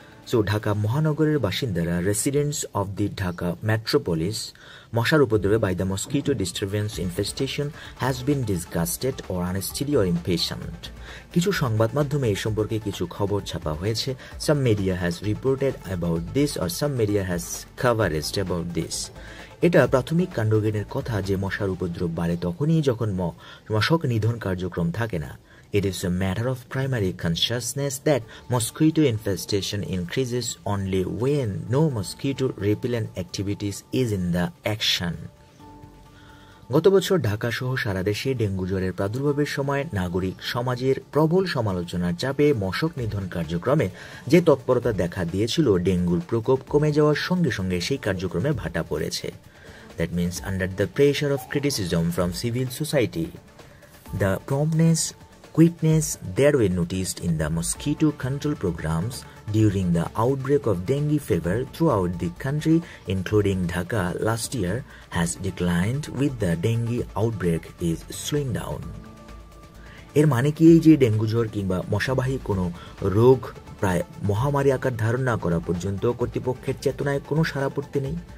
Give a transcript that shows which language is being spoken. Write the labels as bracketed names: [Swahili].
[English] so [Bangla] Dhaka মহানগরের বাসিন্দারা [English] residents of the Dhaka metropolis [Bangla] মশার উপদ্রবে [English] By the mosquito disturbance infestation has been disgusted or unsteady or impatient. [Bangla] কিছু সংবাদ মাধ্যমে এ সম্পর্কে কিছু খবর ছাপা হয়েছে। [English] Some media has reported about this or some media has coveraged about this. [Bangla] এটা প্রাথমিক কাণ্ডজ্ঞানের কথা যে মশার উপদ্রব বাড়ে তখনই যখন মশক নিধন কার্যক্রম থাকে না। [English] It is a matter of primary consciousness that mosquito infestation increases only when no mosquito repellent activities is in the action. [Bangla] গত বছর ঢাকা সহ সারা দেশে ডেঙ্গু জ্বরের প্রাদুর্ভাবের সময় নাগরিক সমাজের প্রবল সমালোচনার চাপে মশক নিধন কার্যক্রমে যে তৎপরতা দেখা দিয়েছিল, ডেঙ্গুর প্রকোপ কমে যাওয়ার সঙ্গে সঙ্গে সেই কার্যক্রমে ভাটা পড়েছে। [English] That means under the pressure of criticism from civil society, the promptness quickness that were noticed in the mosquito control programs during the outbreak of dengue fever throughout the country, including Dhaka last year, has declined with the dengue outbreak is slowing down. [Bangla] এর মানে কি এই যে dengue জ্বর কিংবা মশাবাহী কোনো রোগ প্রায় মহামারী আকার ধারণ না করা পর্যন্ত কর্তৃপক্ষের চেতনায় কোনো সাড়া পড়তে নেই?